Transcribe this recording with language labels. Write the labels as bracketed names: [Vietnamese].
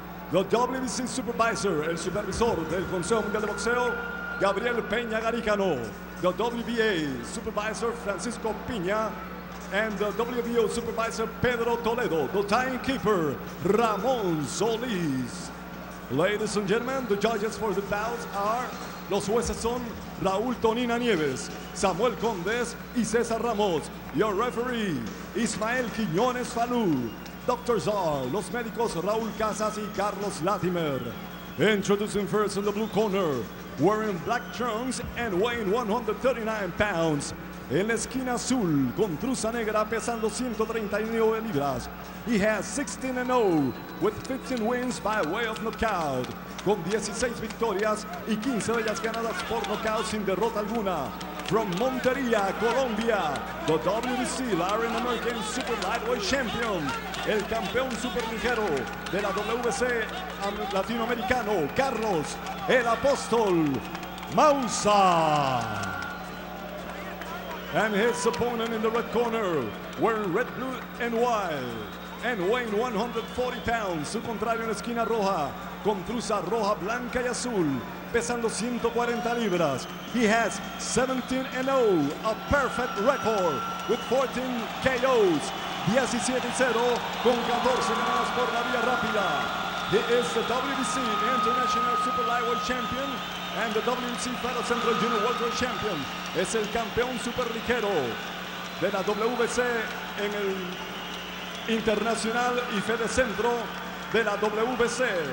[English] The WBC Supervisor, [Spanish] el Supervisor del Consejo Mundial de Boxeo, [English] Gabriel Peña Garicano. The WBA Supervisor, Francisco Piña, and the WBO Supervisor, Pedro Toledo. The timekeeper, Ramón Solís. Ladies and gentlemen, the judges for the bouts are... [Spanish] Los jueces son Raúl Tonina Nieves, Samuel Condés y César Ramos. [English] Your referee, Ismael Quiñones Falú. Doctors are [Spanish] los médicos [English] Raúl Casas y Carlos Latimer. Introducing first in the blue corner, wearing black trunks and weighing 139 pounds. [Spanish] En la esquina azul, con trusa negra, pesando 139 libras. [English] He has 16-0 with 15 wins by way of knockout. [Spanish] Con 16 victorias y 15 de ellas ganadas por knockout sin derrota alguna. [English] From Montería, Colombia, the WBC Latin American Super Lightweight Champion, [Spanish] el campeón superligero de la WBC latinoamericano, [English] Carlos el Apóstol Mauza. And his opponent in the red corner, wearing red, blue, and white, and weighing 140 pounds. [Spanish] Su contrario en la esquina roja, con trusa roja, blanca y azul, pesando 140 libras. [English] He has 17-0, a perfect record, with 14 KOs. [Spanish] 17-0, con 14 ganadas por la vía rápida. [English] He is the WBC International Super Lightweight Champion and the WBC Federal Central Junior World Tour Champion. [Spanish] Es el campeón superligero de la WBC en el Internacional y Fedecentro de la WBC.